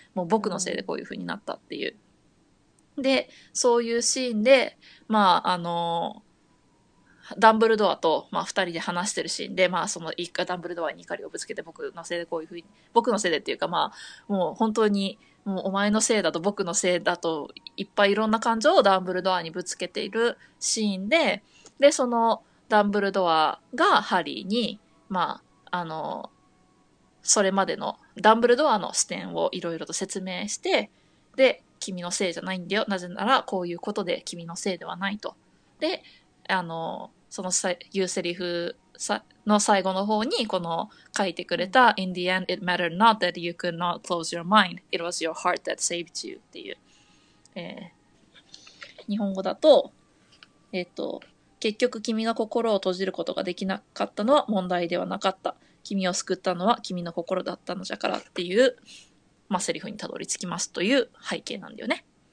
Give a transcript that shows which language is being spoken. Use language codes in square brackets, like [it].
[ja] もう僕のせいでこういう風になったっていう。で、そういうシーンで、まあ、ダンブルドアと、まあ、二人で話してるシーンで、まあ、その一回ダンブルドアに怒りをぶつけて、僕のせいでこういうふうに、僕のせいでっていうか、まあ、もう本当に、もうお前のせいだと僕のせいだと、いっぱいいろんな感情をダンブルドアにぶつけているシーンで、で、そのダンブルドアがハリーに、まあ、それまでのダンブルドアの視点をいろいろと説明して、で、君のせいじゃないんだよ。なぜなら、こういうことで君のせいではないと。で、その言うセリフの最後の方にこの書いてくれた、うん、 [en] In the end it mattered not that you could not close your mind. It was your heart that saved you [ja] っていう、日本語だと、結局君が心を閉じることができなかったのは問題ではなかった、君を救ったのは君の心だったのじゃからっていう、まあ、セリフにたどり着きますという背景なんだよね。